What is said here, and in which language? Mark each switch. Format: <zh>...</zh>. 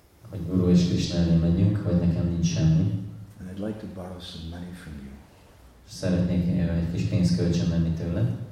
<hu>Hogy Guru és Krishna elé megyünk, hogy nekem nincs semmi.</hu> <en>And I'd like to borrow some money from you.</en> <hu>Szeretnék egy kis pénzt kölcsönvenni tőle.</hu>